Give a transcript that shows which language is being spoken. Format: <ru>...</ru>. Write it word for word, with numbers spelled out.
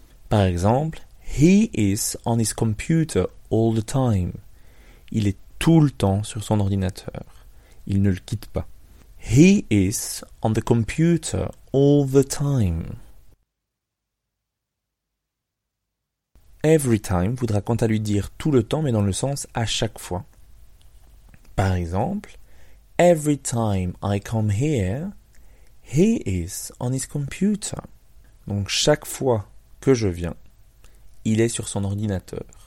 <fr>Par exemple,</fr> <en>he is on his computer all the time.</en> <fr>Il est tout le temps sur son ordinateur. Il ne le quitte pas.</fr> <en>He is on the computer all the time.</en> <fr>Every time voudra quant à lui dire tout le temps, mais dans le sens à chaque fois. Par exemple,</fr> <en>every time I come here, he is on his computer.</en> <fr>Donc chaque fois que je viens, il est sur son ordinateur.</fr>